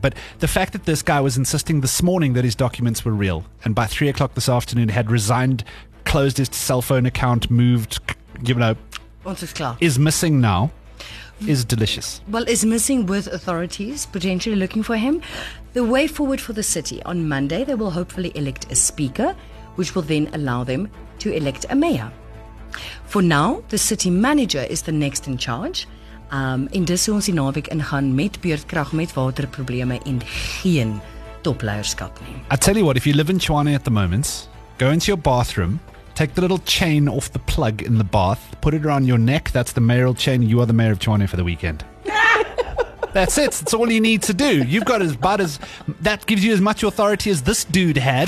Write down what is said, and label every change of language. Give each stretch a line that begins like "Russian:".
English: But the fact that this guy was insisting this morning that his documents were real, and by 3 o'clock this afternoon had resigned, closed his cell phone account, moved, you know, is missing now, is delicious. Well, is missing with authorities potentially looking for him. The way forward for the city, on Monday, they will hopefully elect a speaker, which will then allow them to elect a mayor. For now, the city manager is the next in charge.
Afrikaans: En dis hoe ons die naweek ingaan met beurtkrag, met waterprobleme en geen topleierskap nie.
English: I tell you what, if you live in Tshwane at the moment, go into your bathroom, take the little chain off the plug in the bath, put it around your neck, that's the mayoral chain, you are the mayor of Tshwane for the weekend. That's it. That's all you need to do. You've got that gives you as much authority as this dude had.